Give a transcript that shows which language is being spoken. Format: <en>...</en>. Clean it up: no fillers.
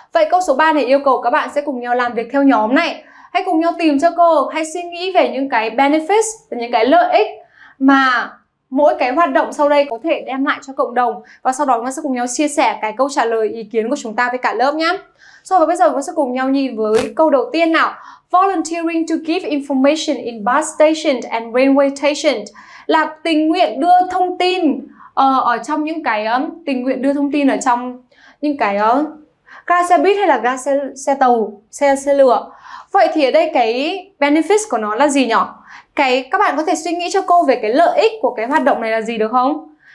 <vi>Vậy câu số 3 này yêu cầu các bạn sẽ cùng nhau làm việc theo nhóm này. Hãy cùng nhau tìm cho cô, hãy suy nghĩ về những cái benefits, về những cái lợi ích mà mỗi cái hoạt động sau đây có thể đem lại cho cộng đồng. Và sau đó chúng ta sẽ cùng nhau chia sẻ cái câu trả lời ý kiến của chúng ta với cả lớp nhé. Rồi, và bây giờ chúng ta sẽ cùng nhau nhìn với câu đầu tiên nào.</vi> <en>Volunteering to give information in bus stations and railway stations.</en> <vi>Là tình nguyện đưa thông tin ở trong những cái tình nguyện đưa thông tin ở trong những cái ga xe buýt hay là ga xe tàu, xe lửa. Vậy thì ở đây cái benefits của nó là gì nhỉ? Các bạn có thể suy nghĩ cho cô về cái lợi ích của cái hoạt động này là gì được không?</vi>